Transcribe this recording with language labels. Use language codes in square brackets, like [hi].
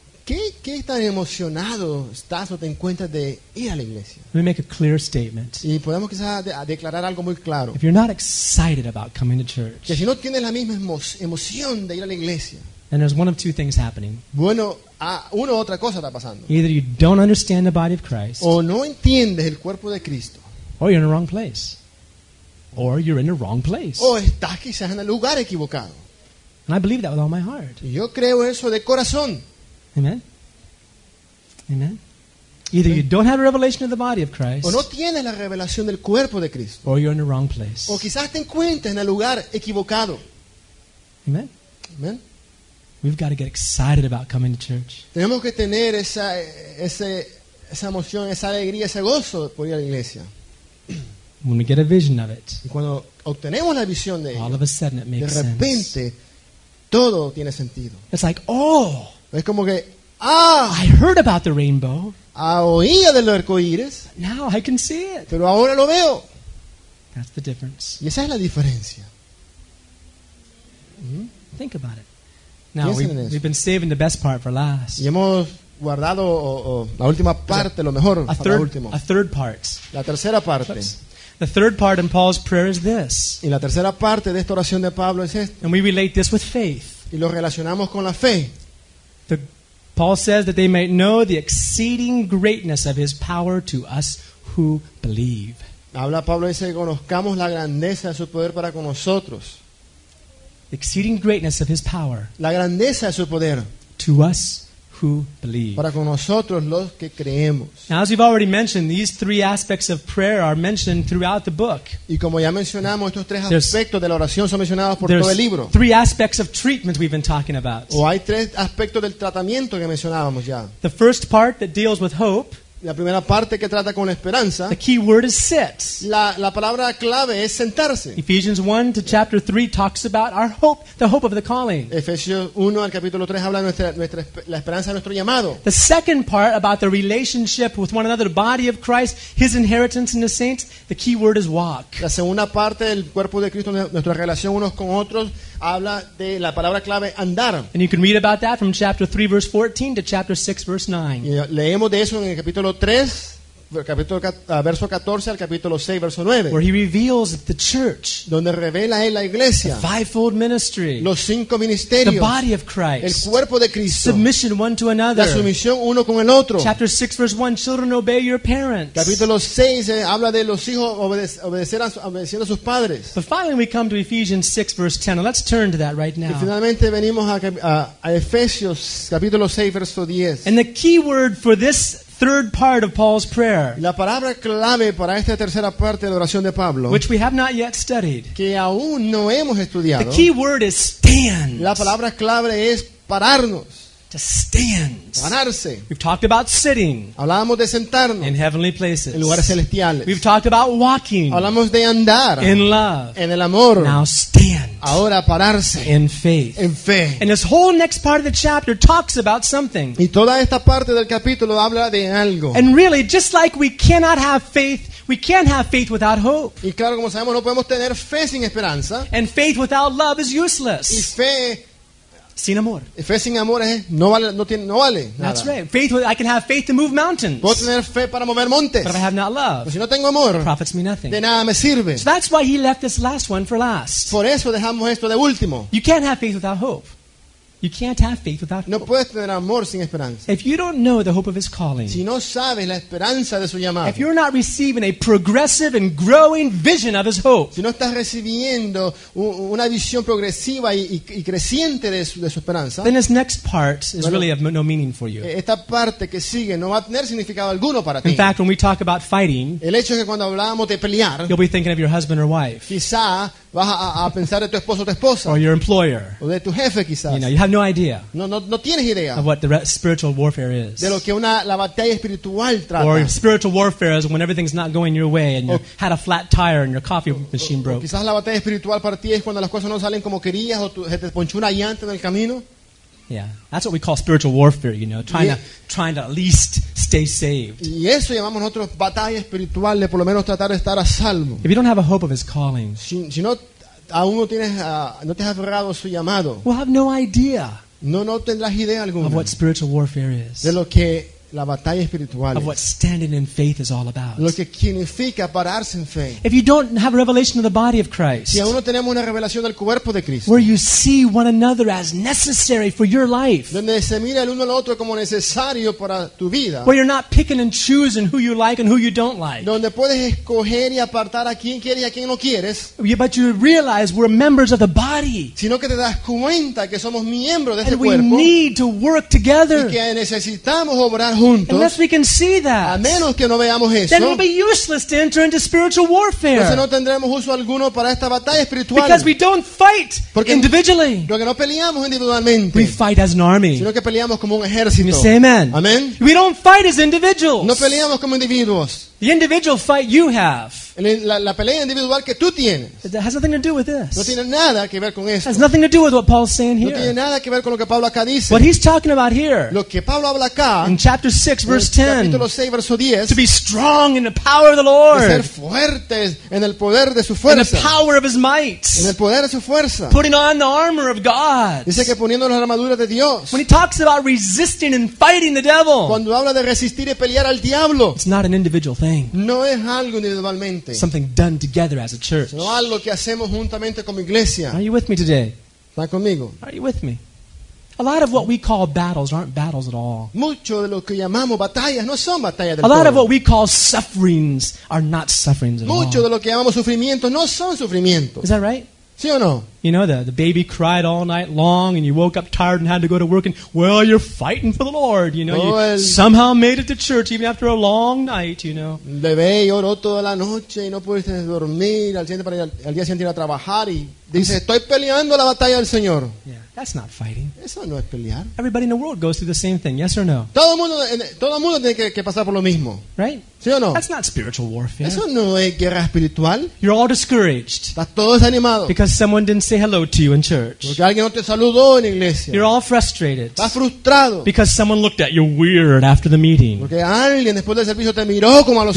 [es] ¿Qué tan emocionado estás o te encuentras de ir a la iglesia? [en] Let me make a clear statement. [es] Y podemos quizás declarar algo muy claro. [en] If you're not excited about coming to church, [es] que si no tienes la misma emoción de ir a la iglesia, [en] then there's one of two things happening. [es] Bueno, una u otra cosa está pasando. [en] Either you don't understand the body of Christ, [es] o no entiendes el cuerpo de Cristo, [en] or you're in the wrong place. Or you're in the wrong place. [es] O estás quizás en el lugar equivocado. [en] And I believe that with all my heart. [es] Yo creo eso de corazón. [en] Amen. Amen. Either you don't have a revelation of the body of Christ, [es] o no tienes la revelación del cuerpo de Cristo, [en] or you're in the wrong place. [es] O quizás te encuentres en el lugar equivocado. [en] Amen. [es] Amen. [en] We've got to get excited about coming to church. [es] Tenemos que tener esa emoción, esa alegría, ese gozo por ir a la iglesia. [en] When we get a vision of it, [es] y cuando obtenemos la visión de [en] all [es] ello, [en] of a sudden it makes sense. [es] De repente, [en] sense. [es] Todo tiene sentido. [en] It's like, oh, [es] es como que, ah, [en] I heard about the rainbow. [es] Oía del arcoíris. [en] Now I can see it. [es] Pero ahora lo veo. [en] That's the difference. [es] Y esa es la diferencia. [en] Think about it. Now we've been saving the best part for last. [es] Y hemos guardado la última parte, lo mejor para último. [en] A third part. [es] La tercera parte. [en] The third part in Paul's prayer is this. [es] Y la tercera parte de esta oración de Pablo es esta. [en] And we relate this with faith. [es] Y lo relacionamos con la fe. [en] Paul says that they might know the exceeding greatness of his power to us who believe. [es] Habla Pablo dice que conozcamos la grandeza de su poder para con nosotros. [en] The exceeding greatness of his power. [es] La grandeza de su poder. [en] To us who believe. [es] Para con nosotros los que creemos. [en] Now, as we've already mentioned, these three aspects of prayer are mentioned throughout the book. [es] Y como ya mencionamos, estos tres aspectos de la oración son mencionados por todo el libro. [en] There's three aspects of treatment we've been talking about. [es] O hay tres aspectos del tratamiento que mencionábamos ya. [en] The first part that deals with hope. [es] La primera parte que trata con la esperanza. [en] The key word is sit. [es] La palabra clave es sentarse. [en] Ephesians 1 to chapter 3 talks about our hope, the hope of the calling. [es] Efesios 1 al capítulo 3 habla de nuestra la esperanza de nuestro llamado. [en] The second part about the relationship with one another, the body of Christ, his inheritance in the saints, the key word is walk. [es] La segunda parte del cuerpo de Cristo, nuestra relación unos con otros, habla de la palabra clave andar. [en] And you can read about that from chapter 3 verse 14 to chapter 6 verse 9. [es] Leemos de eso en el capítulo 3, capítulo verso 14 al capítulo 6 verso 9. [en] Where he reveals the church. [es] Donde revela él la iglesia. [en] The fivefold ministry. [es] Los cinco ministerios. [en] The body of Christ. [es] El cuerpo de Cristo. [en] Submission one to another. [es] La sumisión uno con el otro. [en] Chapter 6 verse 1, children obey your parents. [es] Capítulo 6 habla de los hijos obedeciendo a sus padres. [en] But finally we come to Ephesians 6 verse 10. Now let's turn to that right now. [es] Y finalmente venimos a Efesios capítulo 6 verso 10. [en] And the key word for this third part of Paul's prayer. [es] La palabra clave para esta tercera parte de la oración de Pablo, [en] which we have not yet studied. [es] Que aún no hemos estudiado. [en] The key word is stand. [es] La palabra clave es pararnos. [en] To stand. [es] Pararse. [en] We've talked about sitting. [es] Hablamos de sentarnos. [en] In heavenly places. [es] En lugares celestiales. [en] We've talked about walking. [es] Hablamos de andar. [en] In love. [es] En el amor. [en] Now stand. [es] Ahora pararse. [en] In faith. [es] En fe. [en] And this whole next part of the chapter talks about something. [es] Y toda esta parte del capítulo habla de algo. [en] And really, just like we cannot have faith, we can't have faith without hope. [es] Y claro, como sabemos, no podemos tener fe sin esperanza. [en] And faith without love is useless. [es] Y fe sin amor. Fe sin amor es, no vale, no tiene, no vale nada. [en] That's right. Faith, I can have faith to move mountains. [es] Puedo tener fe para mover montes. [en] But if I have not love, [es] pero si no tengo amor, [en] profits me nothing. [es] De nada me sirve. [en] So that's why he left this last one for last. [es] Por eso dejamos esto de último. [en] You can't have faith without hope. You can't have faith without hope. [es] No puedes tener amor sin esperanza. [en] If you don't know the hope of his calling, [es] si no sabes la esperanza de su llamado, [en] if you're not receiving a progressive and growing vision of his hope, [es] si no estás recibiendo una visión progresiva y creciente de su esperanza, [en] then this next part is really of no meaning for you. [es] Esta parte que sigue no va a tener significado alguno para ti. [en] In fact, when we talk about fighting, [es] el hecho es que cuando hablamos de pelear, [en] you'll be thinking of your husband or wife. [es] Quizá vas a pensar en tu esposo o tu esposa. [en] Or your employer. [es] O de tu jefe, quizás. [en] You know, you have no idea. [es] No tienes idea. [en] Of what the spiritual warfare is. [es] De lo que la batalla espiritual trata. [en] Or spiritual warfare is when everything's not going your way and you had a flat tire and your coffee machine broke. [es] Quizás la batalla espiritual para ti es cuando las cosas no salen como querías o te ponchó una llanta en el camino. [en] Yeah, that's what we call spiritual warfare, you know, trying to at least stay saved. [es] Y eso llamamos nosotros batalla espiritual, de por lo menos tratar de estar a salvo. [en] If you don't have a hope of his calling, [es] si no aún no tienes no te has aferrado su llamado, [en] we'll have no idea. [es] No tendrás idea alguna [en] of what spiritual warfare is. [es] De lo que la batalla espiritual [en] of what standing in faith is all about. [es] Lo que significa pararse en fe. [en] If you don't have a revelation of the body of Christ, [es] si aún no tenemos una revelación del cuerpo de Cristo, [en] where you see one another as necessary for your life, [es] donde se mira el uno al otro como necesario para tu vida, [en] where you're not picking and choosing who you like and who you don't like, [es] donde puedes escoger y apartar a quien quieres y a quien no quieres, [en] but you realize we're members of the body, [es] sino que te das cuenta que somos miembros de este [en] and [es] cuerpo, [en] we need to work together, [es] y que necesitamos obrar juntos, [en] unless we can see that, [es] a menos que no veamos eso, [en] then it will be useless to enter into spiritual warfare. [es] Entonces no tendremos uso alguno para esta batalla espiritual. [en] Because we don't fight [es] porque [en] individually. [es] Porque no peleamos individualmente. [en] We fight as an army. [es] Sino que peleamos como un ejército. [en] You say amen. [es] Amen. [en] We don't fight as individuals. [es] No peleamos como individuos. [en] The individual fight you have. [es] La pelea individual que tú tienes. [en] It has nothing to do with this. [es] No tiene nada que ver con esto. [en] It has nothing to do with what Paul's saying here. [es] No tiene nada que ver con lo que Pablo acá dice. [en] What he's talking about here. [es] Lo que Pablo habla acá. [en] In chapter 6 verse 10. [es] Capítulo 6 verso 10. [en] To be strong in the power of the Lord. [es] De ser fuertes en el poder de su fuerza. [en] In the power of his might. [es] En el poder de su fuerza. [en] Putting on the armor of God. [es] Dice que poniendo la armadura de Dios. [en] When he talks about resisting and fighting the devil. [es] Cuando habla de resistir y pelear al diablo. [en] It's not an individual thing. [es] No es algo individualmente. [en] Something done together as a church. [es] No, algo que hacemos juntamente como iglesia. [en] Are you with me today? [es] ¿Está conmigo? [en] Are you with me? A lot of what we call battles aren't battles at all. [es] Mucho de lo que llamamos batallas no son batallas del todo. [en] A lot of what we call sufferings are not sufferings at [es] Mucho [en] all. [es] Mucho de lo que llamamos sufrimientos no son sufrimientos. [en] Is that right? [es] ¿Sí o no? [en] You know, the baby cried all night long and you woke up tired and had to go to work and, well, you're fighting for the Lord, you know. [es] No, [en] you somehow made it to church even after a long night, you know. [es] El bebé lloró toda la noche y no pudiste dormir al día siguiente ir a trabajar y dice, estoy peleando la batalla del Señor. [en] Yeah, that's not fighting. [es] Eso no es pelear. [en] Everybody in the world goes through the same thing, yes or no? [es] Todo el mundo tiene que pasar por lo mismo. [en] Right? [es] ¿Sí o no? [en] That's not spiritual warfare. [es] Eso no es guerra espiritual. [en] You're all discouraged. [es] Estás todos animados. [en] Because someone didn't say hello to you in church. [es] Porque alguien no te saludó en iglesia. [en] You're all frustrated. [es] Estás frustrado. [en] Because someone looked at you weird after the meeting. [es] Porque alguien después del servicio te miró como a los